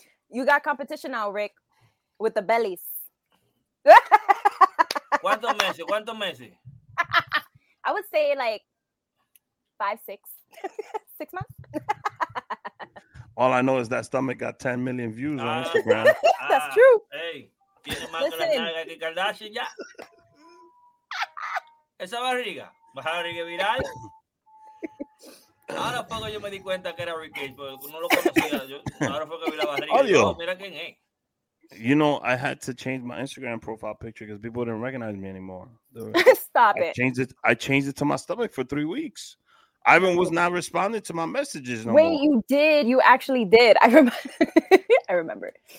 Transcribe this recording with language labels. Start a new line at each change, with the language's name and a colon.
English: You got competition now, Rick, with the bellies.
Spanish: ¿Cuántos meses?
English: I would say like 5-6. 6 months. All I know is that stomach got 10 million views on Instagram. That's true.
Spanish: Hey, tiene más que la nalga que Kardashian ya. Esa barriga. Baja la barriga viral. Ahora fue que yo me di cuenta que era Rick Gates, porque no lo conocía. Ahora fue que vi la barriga.
English: Audio.
Spanish: Yo, mira quién es.
English: You know, I had to change my Instagram profile picture because people didn't recognize me anymore. I changed it to my stomach for 3 weeks. Ivan was not responding to my messages no Wait, more. You did. You actually did. I remember.